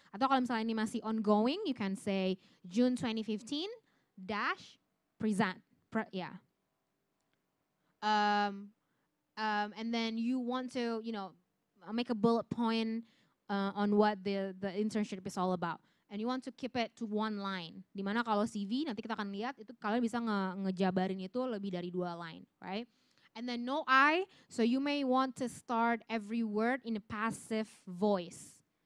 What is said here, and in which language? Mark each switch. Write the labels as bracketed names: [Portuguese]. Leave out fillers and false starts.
[Indonesian] Atau kalau misalnya ini masih ongoing, [English] you can say June 2015 dash present. Yeah. And then you want to, you know, make a bullet point on what the internship is all about. And you want to keep it to one line. [Indonesian] Dimana kalau CV nanti kita akan lihat itu kalian bisa ngejabarin itu lebih dari dua line, right? [English] And then no I, so you may want to start every word in a passive voice.